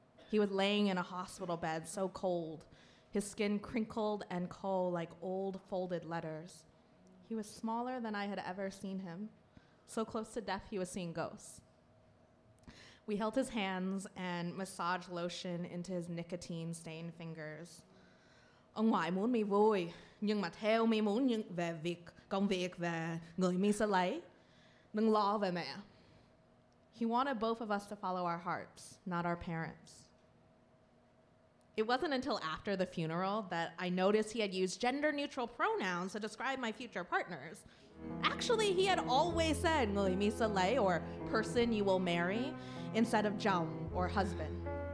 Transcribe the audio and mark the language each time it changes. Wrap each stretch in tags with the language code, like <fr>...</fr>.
<en>He was laying in a hospital bed so cold, his skin crinkled and cold like old folded letters. He was smaller than I had ever seen him. So close to death, he was seeing ghosts. We held his hands and massaged lotion into his nicotine-stained fingers.</en> <vi>Ông ngoại muốn mi vui, nhưng mà theo mi muốn về việc công việc và người mi sẽ lấy. Đừng lo về mẹ.</vi> <en>He wanted both of us to follow our hearts, not our parents. It wasn't until after the funeral that I noticed he had used gender-neutral pronouns to describe my future partners. Actually, he had always said</en> <vi>"ngươi mi sẽ lấy,"</vi> <en>or "person you will marry," instead of "chồng" or "husband."</en>